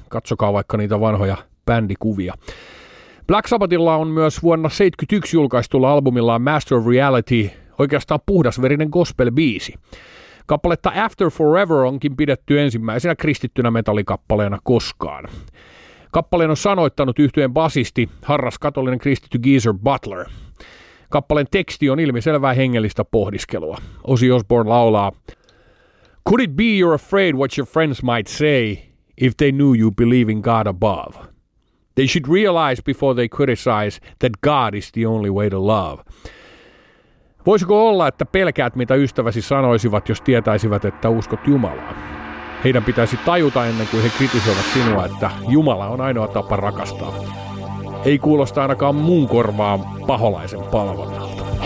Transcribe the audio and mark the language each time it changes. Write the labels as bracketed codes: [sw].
[fi] Katsokaa vaikka niitä vanhoja bändikuvia. Black Sabbathilla on myös vuonna 1971 julkaistulla albumilla Master of Reality oikeastaan puhdasverinen gospel-biisi. Kappaletta After Forever onkin pidetty ensimmäisenä kristittynä metallikappaleena koskaan. Kappaleen on sanoittanut yhtyeen basisti, harras katolinen kristitty Geezer Butler. Kappaleen teksti on ilmiselvää hengellistä pohdiskelua. [en] Ozzy Osbourne [fi] laulaa: [en] Could it be you're afraid what your friends might say if they knew you believe in God above? They should realize before they criticize that God is the only way to love. [fi] Voisiko olla, että pelkäät, mitä ystäväsi sanoisivat, jos tietäisivät, että uskot Jumalaa? Heidän pitäisi tajuta ennen kuin he kritisoivat sinua, että Jumala on ainoa tapa rakastaa. Ei kuulosta ainakaan mun korvaan paholaisen palvonnalta.